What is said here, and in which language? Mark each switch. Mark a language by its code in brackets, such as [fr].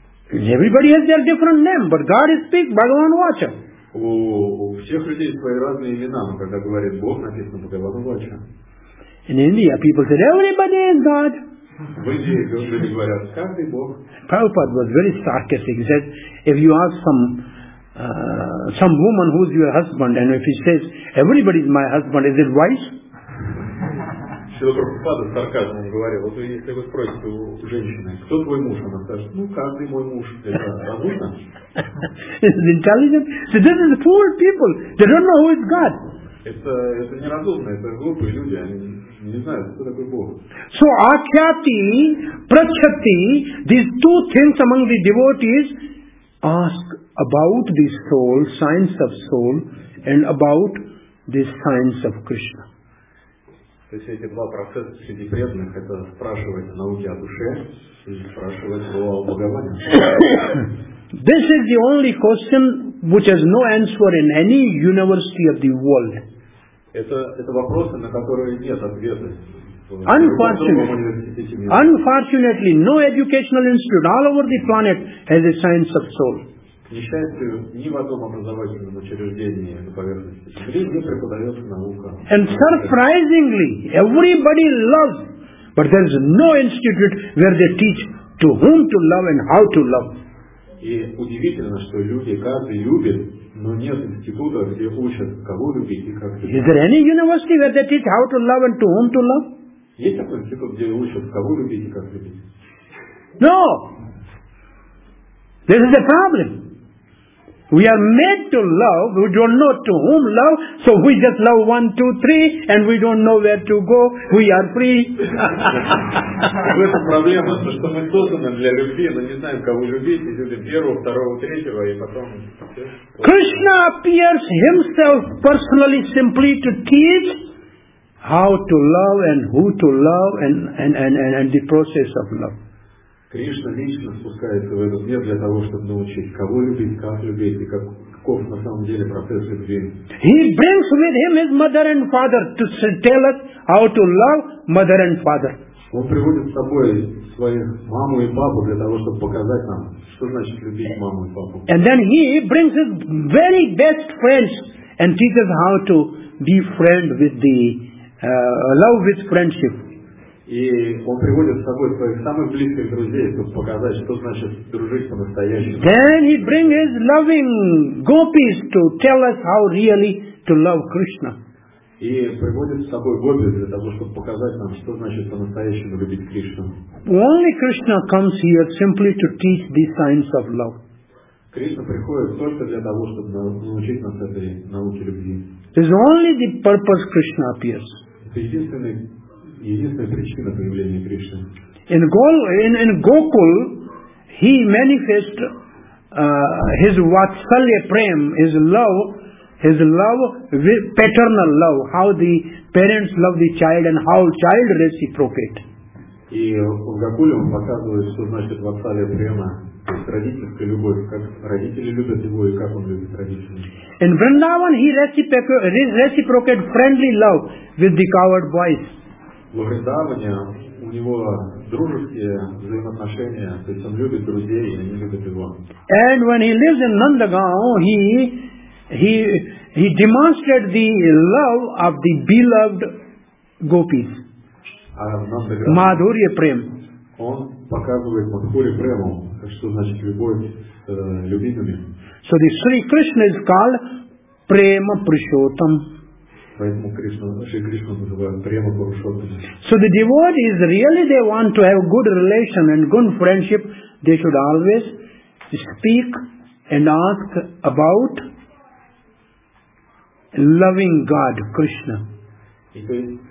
[en] Everybody has their different name, but God speaks Bhagavan Vacha. [ru] У всех людей свои разные имена, но когда говорит Бог, написано Бхагаван Вача. [en] In India, people said, everybody is God. [ru] В Индии люди говорят, каждый Бог. [en] Prabhupada was very sarcastic. He said, if you ask some woman who is your husband, and if he says, everybody is my husband, is it wise? [ru] Шрила Прабхупада с сарказмом говорил, вот если вы спросите у женщины, кто твой муж, она скажет, ну каждый мой муж, это разумно. [en] This is intelligent. So this is poor people. They don't know who is God. [ru] Это неразумно. Это глупые люди. Они не знают, кто такой Бог. [en] So akhyati, prachati, these two things among the devotees ask about the soul, science of soul, and about the science of Krishna. [ru] То есть эти два процесса среди преданных — это спрашивать о науке о душе и спрашивать о Бхагаване. [en] This is the only question which has no answer in any university of the world. [ru] Это вопросы, на которые нет ответа. [en] Unfortunately, no educational institute all over the planet has a science of soul. [ru] К несчастью, ни в одном образовательном учреждении на поверхности Земли не преподается наука. [en] And surprisingly, everybody loves, but there is no institute where they teach to whom to love and how to love. [ru] И удивительно, что люди каждый любит, но нет института, где учат, кого любить и как любить. [en] Is there any university where they teach how to love and to whom to love? [ru] Есть такой институт, где учат, кого любить и как любить? [en] No! This is the problem. We are made to love. We don't know to whom love. So we just love 1, 2, 3, and we don't know where to go. We are free. [ru] В этом проблема, что мы созданы для любви, но не знаем, кого любить. Если первого, второго, третьего, и потом. [en] Krishna appears himself personally, simply to teach how to love and who to love and the process of love. [ru] Кришна лично спускается в этот мир для того, чтобы научить, кого любить, как любить и каков на самом деле процесс любви. [en] He brings with him his mother and father to tell us how to love mother and father. [ru] Он приводит с собой свою маму и папу для того, чтобы показать нам, что значит любить маму и папу. [en] And then he brings his very best friends and teaches how to be friend with the love with friendship. [ru] И он приводит с собой своих самых близких друзей, чтобы показать, что значит дружить по-настоящему. [en] Then he brings his loving gopis to tell us how really to love Krishna. [ru] И приводит с собой гопи для того, чтобы показать нам, что значит по-настоящему любить Кришну. [en] Only Krishna comes here simply to teach the science of love. [ru] Кришна приходит только для того, чтобы научить нас этой науке любви. [en] It's only the purpose Krishna appears. [ru] Единственная причина появления Кришны. [en] In Gokul, he manifests his vatsalya prem, his love, paternal love, how the parents love the child and how child reciprocate. [ru] И в Гокуле он показывает, что значит vatsalya prema, то есть родительская любовь, как родители любят его и как он любит родителей. [en] In Vrindavan, he reciprocate friendly love with the coward boys. [ru] В Вриндаване у него дружеские взаимоотношения, то есть он любит друзей, и они любят его. [en] And when he lives in Nandagaon, he demonstrated the love of the beloved gopis. Madhurya prem. [ru] Он показывает Мадхурья прему, что значит любовь любимыми. [en] So the Sri Krishna is called Prema Purushottam. [ru] Поэтому Кришна называют Према Пурушоттама. [en] So the devotees really they want to have good relation and good friendship, they should always speak and ask about loving God, Krishna.